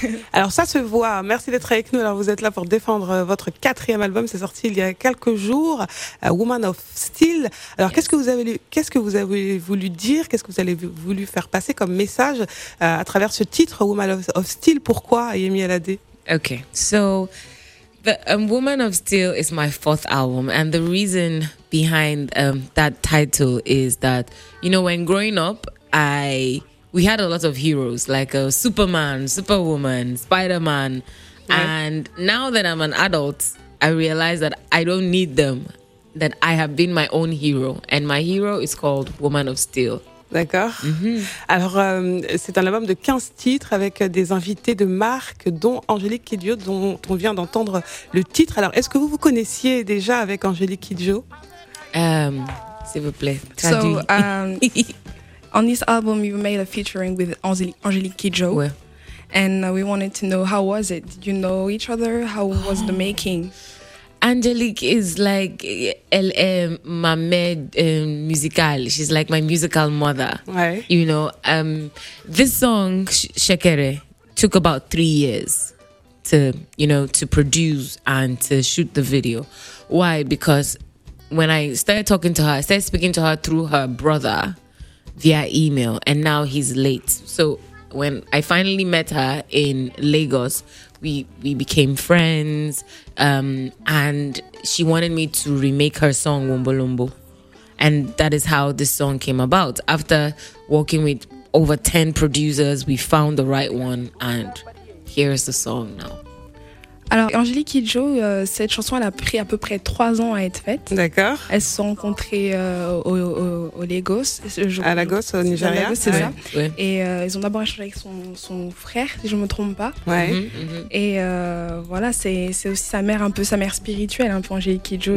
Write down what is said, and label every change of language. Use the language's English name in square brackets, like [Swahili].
[French] Alors ça se voit. Merci d'être avec nous. Alors vous êtes là pour défendre votre quatrième album. C'est sorti il y a quelques jours, Woman of Steel. Alors yes. Qu'est-ce que vous avez voulu dire? Qu'est-ce que vous avez voulu faire passer comme message à travers ce titre, Woman of Steel? Pourquoi Yemi Alade? [English] Okay. So Woman of Steel is my fourth album, and the reason behind that title is that, you know, when growing up, we had a lot of heroes, like Superman, Superwoman, Spider-Man, right. And now that I'm an adult, I realize that I don't need them, that I have been my own hero, and my hero is called Woman of Steel. [French] D'accord. Mm-hmm. Alors, c'est un album de 15 titres avec des invités de marque, dont Angélique Kidjo, dont on vient d'entendre le titre. Alors, est-ce que vous vous connaissiez déjà avec Angélique Kidjo? S'il vous plaît, traduis. [English] So, on this album, you made a featuring with Angélique Kidjo. [French] Ouais. [English] And we wanted to know, how was it? Did you know each other? How was the making? Angélique is like, [French] elle est ma mère musicale. [English] She's like my musical mother. Right. You know, this song, Shekere, took about 3 years to, you know, to produce and to shoot the video. Why? Because when I started talking to her, I started speaking to her through her brother via email, and now he's late. So when I finally met her in Lagos, we became friends, and she wanted me to remake her song Wombo Lombo, and that is how this song came about. After working with over 10 producers, we found the right one, and here is the song now. [French] Alors, Angélique Kidjo, cette chanson, elle a pris à peu près 3 ans à être faite. D'accord. Elles se sont rencontrées au Lagos. À Lagos, au Nigeria. À Lagos, c'est ouais. ça. Ouais. Et elles ont d'abord échangé avec son frère, si je ne me trompe pas. Ouais. Mm-hmm. Et voilà, c'est aussi sa mère, un peu sa mère spirituelle, un peu Angélique Kidjo.